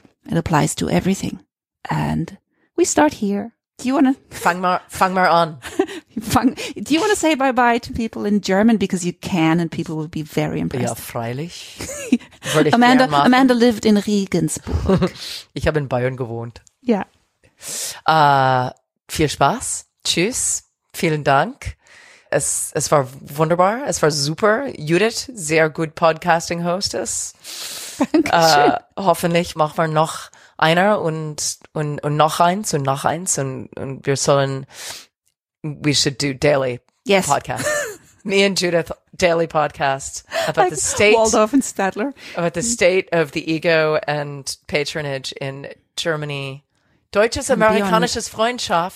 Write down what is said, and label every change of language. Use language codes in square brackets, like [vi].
[en] It applies to everything. And we start here. Do you want to... [de] Fang mal on. [en] Do you want to say bye-bye to people in German? Because you can, and people will be very impressed. [de] Ja, freilich. [en] Amanda lived in Regensburg. [de] Ich habe in Bayern gewohnt. Ja. [en] Yeah. [de] Viel Spaß. Tschüss. Vielen Dank. Es war wunderbar. Es war super. Judith, sehr gut [en] Podcasting Hostess. [de] Dankeschön. Hoffentlich machen wir noch einer und noch eins und noch eins und wir sollen... [en] We should do daily podcast. Me and Judith, daily podcast about like the state. Waldorf and Stadler. About the state of the ego and patronage in Germany. [de] Deutsches Amerikanisches Freundschaft.